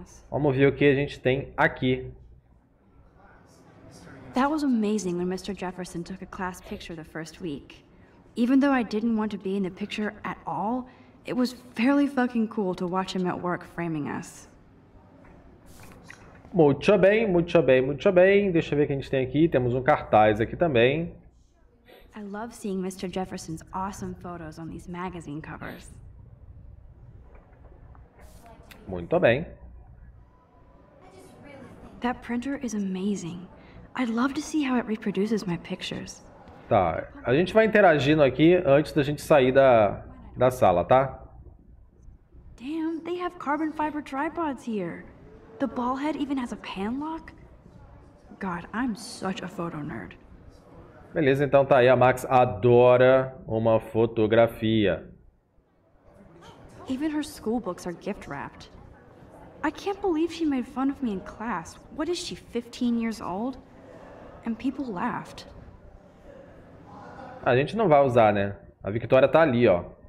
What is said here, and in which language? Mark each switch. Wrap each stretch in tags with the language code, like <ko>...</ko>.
<pt>Vamos ver o que a gente tem aqui.</pt> <en>That was amazing when Mr. Jefferson took a class picture the first week. Even though I didn't want to be in the picture at all, it was fairly fucking cool to watch him at work framing us.</en> <pt>Muito bem, muito bem, muito bem. Deixa eu ver o que a gente tem aqui. Temos um cartaz aqui também.</pt> <en>I love seeing Mr. Jefferson's awesome photos on these magazine covers.</en> <pt>Muito bem.</pt> <en>That printer is amazing. I'd love to see how it reproduces my pictures.</en> <pt>Tá, a gente vai interagindo aqui antes da gente sair da sala, tá?</pt> <en>Damn, they have carbon fiber tripods here. The ball head even has a pan lock. God, I'm such a photo nerd.</en> <pt>Beleza, então tá aí, a Max adora uma fotografia.</pt> <en>Even her school books are gift wrapped. I can't believe she made fun of me in class. What is she, 15 years old? And people laughed.</en> <pt>A gente não vai usar, né? A Victoria tá ali, ó.</pt>